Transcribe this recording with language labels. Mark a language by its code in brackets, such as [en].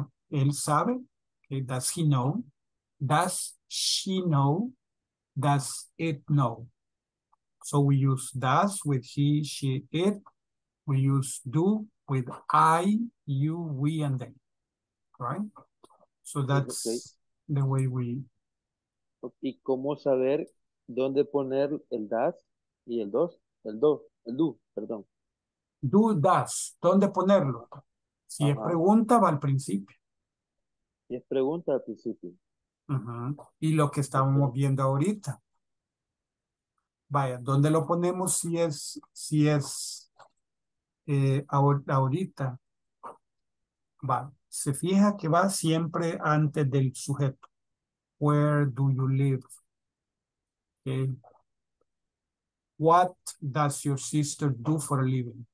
[es] Él sabe, [en] okay, does he know, does she know, does it know. So we use does with he, she, it, we use do with I, you, we, and they, right? So that's okay. The way we... [es] ¿Y cómo saber dónde poner el does y el dos? El do, perdón. Do, does, ¿dónde ponerlo? Si es pregunta, va al principio. Si es pregunta, al principio. Uh-huh. Y lo que estábamos viendo ahorita. Vaya, ¿dónde lo ponemos si es, si es ahorita? Va, se fija que va siempre antes del sujeto. [en] Where do you live? Okay. What does your sister do for a living?